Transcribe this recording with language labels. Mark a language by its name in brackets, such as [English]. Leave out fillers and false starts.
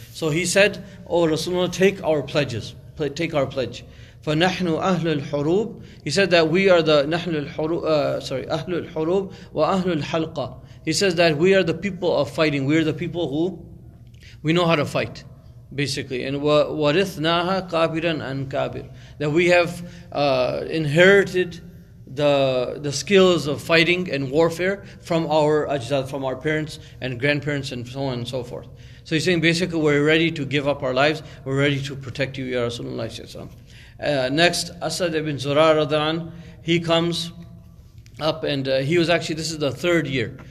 [English] So he said, O Rasulullah, take our pledges, take our pledge. [Arabic] فَنَحْنُ أَهْلُ الْحُرُوبِ. [English] He said that we are the [Arabic] أَهْلُ الْحُرُوبِ وَأَهْلُ الْحَلْقَةِ. [English] He says that we are the people of fighting. We are the people who we know how to fight, basically. [Arabic] And وَرِثْنَاهَا كَابِرًا أَنْ كَابِرٍ. [English] That we have inherited the skills of fighting and warfare from our ajdad, from our parents and grandparents and so on and so forth. So he's saying basically we're ready to give up our lives. We're ready to protect you, Ya Rasulullah. Next, Asad ibn Zurar radhan, he comes up and he was actually, this is the third year.